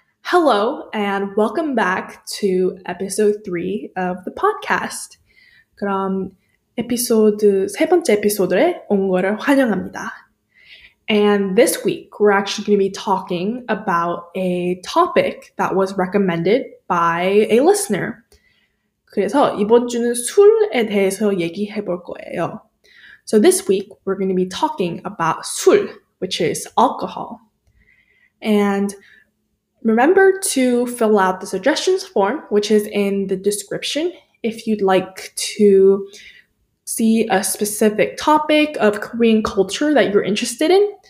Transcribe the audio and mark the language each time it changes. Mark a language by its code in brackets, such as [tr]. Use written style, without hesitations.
[en] Hello, and welcome back to episode 3 of the podcast. [ko] 그럼 세 번째 에피소드에 온 거를 환영합니다. [en] And this week, we're actually going to be talking about a topic that was recommended by a listener. [ko] 그래서 이번 주는 술에 대해서 얘기해 볼 거예요. [en] So this week, we're going to be talking about 술, which is alcohol. And remember to fill out the suggestions form, which is in the description, if you'd like to see a specific topic of Korean culture that you're interested in.